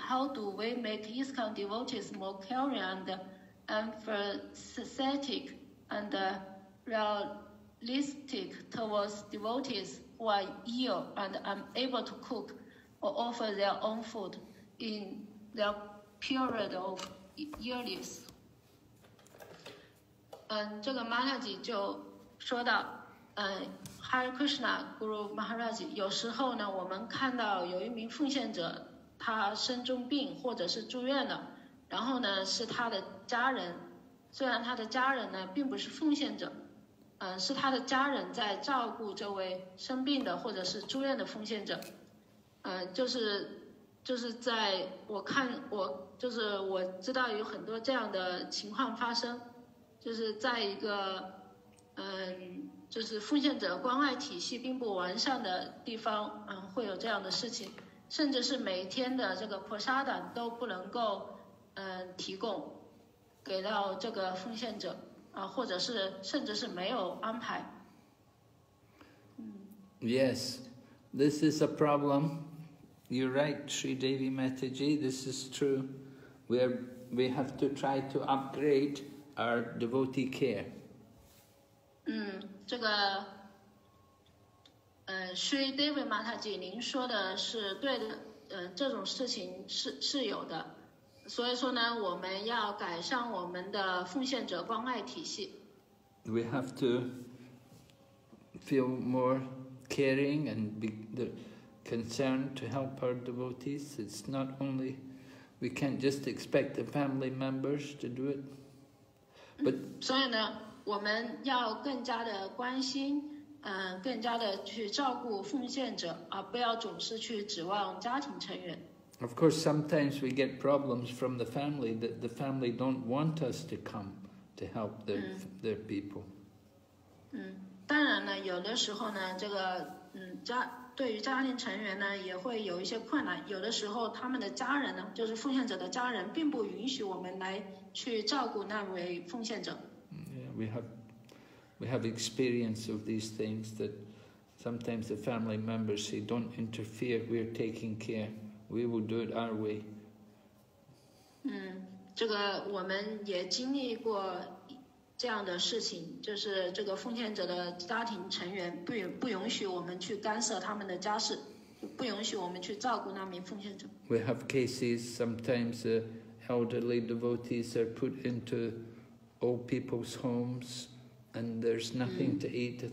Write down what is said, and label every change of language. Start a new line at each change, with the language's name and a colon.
English: How do we make ISKCON devotees more caring and empathetic and realistic towards devotees who are ill and unable to cook or offer their own food in their period of illness?
Chinese: 这个 Manaji 就说到，Hare Krishna Guru Maharaj， 有时候呢，我们看到有一名奉献者，他身中病或者是住院了，然后呢是他的家人，虽然他的家人呢并不是奉献者，是他的家人在照顾这位生病的或者是住院的奉献者，就是在我看我就是我知道有很多这样的情况发生，就是在一个就是奉献者关爱体系并不完善的地方，会有这样的事情，甚至是每天的这个菩萨等都不能够提供给到这个奉献者啊，或者是甚至是没有安排。
English: Yes, this is a problem. You're right, Sri Devi Mataji, this is true. We have to try to upgrade our devotee care.
Chinese: 这个Sri Devi Mataji 您说的是对的，这种事情是有的，所以说呢我们要改善我们的奉献者关爱体系。
English: We have to feel more caring and be concerned to help our devotees. It's not only we can't just expect the family members to do it, but
Chinese: 所以呢我们要更加的关心，更加的去照顾奉献者，而不要总是去指望家庭成员。
English: Of course, sometimes we get problems from the family that the family don't want us to come to help their people.
Chinese: 当然呢，有的时候呢，这个对于家庭成员呢，也会有一些困难。有的时候，他们的家人呢，就是奉献者的家人，并不允许我们来去照顾那位奉献者。
English: We have experience of these things that sometimes the family members say, "Don't interfere. We're taking care. We will do it our way."
Chinese: 这个我们也经历过这样的事情，就是这个奉献者的家庭成员不允许我们去干涉他们的家事，不允许我们去照顾那名奉献者。
English: We have cases sometimes the elderly devotees are put into old people's homes, and there's nothing to eat.